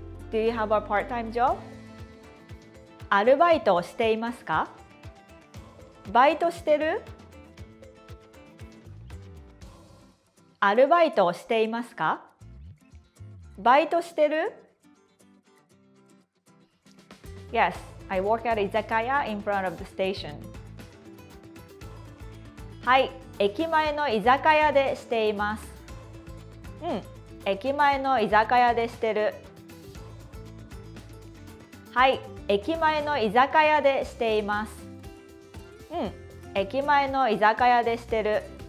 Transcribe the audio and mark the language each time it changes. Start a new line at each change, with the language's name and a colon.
English: Do you have a part-time job?
Japanese: アルバイトをしていますか? バイトしてる? アルバイトをしていますか? バイトしてる?
English: Yes, I work at 居酒屋 in front of the station.
Japanese: はい、駅前の居酒屋でしています。うん、駅前の居酒屋でしてる。はい、駅前の居酒屋でしています。うん、駅前の居酒屋でしてる。